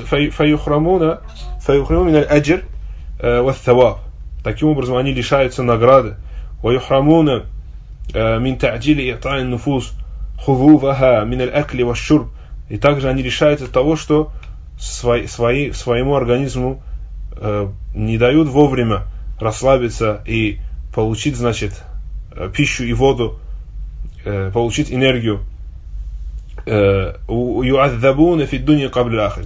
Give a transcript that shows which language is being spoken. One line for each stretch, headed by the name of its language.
Arabic: فيحرمون من الأجر والثواب.
Russian: Таким образом, они лишаются награды.
Arabic: ويحرمون من تعجيل إعطاء النفوس خذوها من الأكل والشرب.
Russian: И также они лишаются того, что своему организму не дают вовремя расслабиться и получить, значит, пищу и воду, получить энергию.
Arabic: يُعَذَّبُونَ فِي الدُّنْيَا قَبْلِ الْآخِرِ.